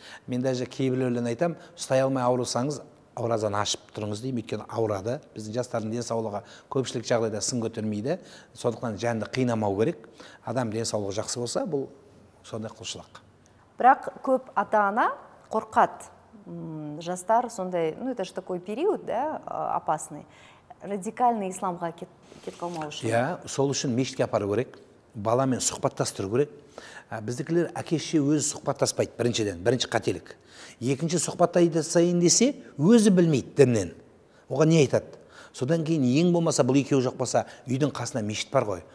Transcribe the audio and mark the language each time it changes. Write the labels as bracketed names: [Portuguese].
[Kazakh] Мен даже кейбіреулерін айтам, ұстай алмай аурусаңыз, ауразаны ашып тұрыңыз деймін, өйткені аурады. Біздің жастардың денсаулығы көпшілік жағдайда сын көтермейді. Сондықтан жанды қинамау керек. Адам денсаулығы жақсы болса, бұл сондай құлшылық. Бірақ көп ата-ана қорқады. Жастар сондай, [Russian] ну, это же такой период, да, опасный. [Kazakh] Радикальный исламға кетіп қалмау үшін. Иә, сол үшін мешітке апару керек. Баламен сұхбаттастыру керек. Біздікілер әкеше өзі сұхбаттаспайды біріншіден, бірінші қателік. Екінші сұхбаттасайын десе, өзі білмейді діннен. Оған не айтады? Содан кейін ең болмаса, бұл екеуі жоқ болса, үйдің қасына мешіт бар ғой.